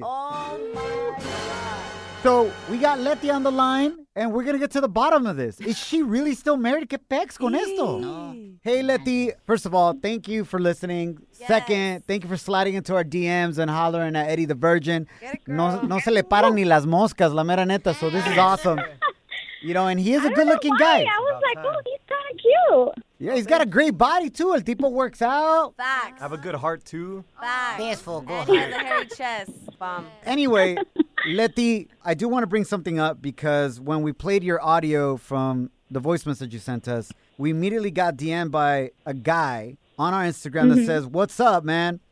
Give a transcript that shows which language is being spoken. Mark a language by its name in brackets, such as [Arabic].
[English] Oh, my God. So we got Leti on the line, and we're going to get to the bottom of this. Is she really still married? [Spanish] ¿Qué pex con esto? [English] No. Hey, Leti, first of all, thank you for listening. Yes. Second, thank you for sliding into our DMs and hollering at Eddie the Virgin. Get it, girl. [Spanish] No se le paran ni las moscas, la mera neta. [English] So this is awesome. You know, and he is a good-looking guy. I was like, oh, he's kind of cute. Yeah, he's got a great body, too. [Spanish] El tipo [English] works out. Facts. Have a good heart, too. Facts. Beautiful. Good heart. And he has a hairy chest. Bomb. Anyway, Leti, I do want to bring something up because when we played your audio from the voice message you sent us, we immediately got DM'd by a guy on our Instagram that says, what's up, man?